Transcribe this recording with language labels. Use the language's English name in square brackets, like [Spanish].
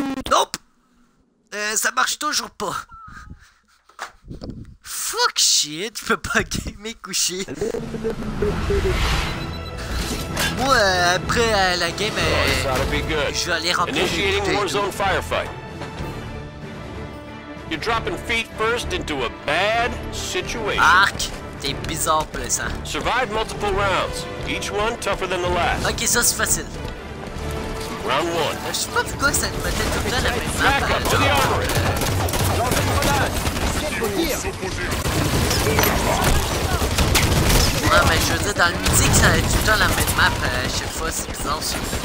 [French] Nope! Ça marche toujours pas. Fuck shit, tu peux pas gamer couché. Moi, après la game, je vais aller remplir. [English] Initiating Warzone firefight. You're dropping feet first into a bad situation. [French] Arc, t'es bizarre pour ça. [English] Survive multiple rounds, each one tougher than the last. [French] Ok, ça c'est facile. [English] Round 1. [French] Je sais pas pourquoi ça me mettait tout le temps la même map. [English] Back up to the armory. [French] Ouais, mais je veux dire, dans le midi, ça va être tout le temps la même map à chaque fois, c'est bizarre. Ça.